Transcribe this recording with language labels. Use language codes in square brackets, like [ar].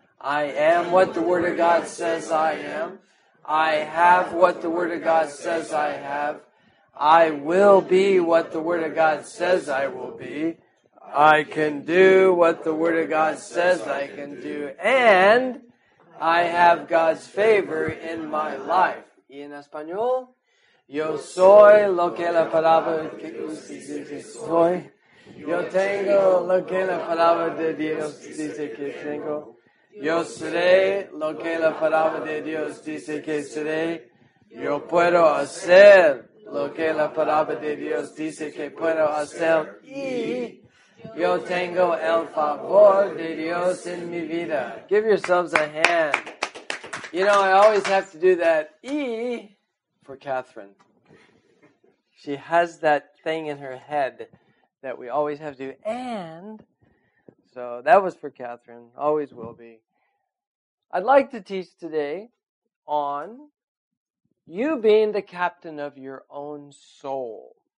[en] I am what the Word of God says I am. I have what the Word of God says I have. I will be what the Word of God says I will be. I can do what the Word of God says I can do. And I have God's favor in my life. [es] ¿Y en español? Yo soy lo que la palabra que dice que soy. Yo tengo lo que la palabra de Dios dice que tengo. Yo seré lo que la palabra de Dios dice que seré. Yo puedo hacer lo que la palabra de Dios dice que puedo hacer. Y yo tengo el favor de Dios en mi vida. [en] Give yourselves a hand. You know, I always have to do that E for Catherine. She has that thing in her head that we always have to do. And so that was for Catherine. Always will be. I'd like to teach today on you being the captain of your own soul.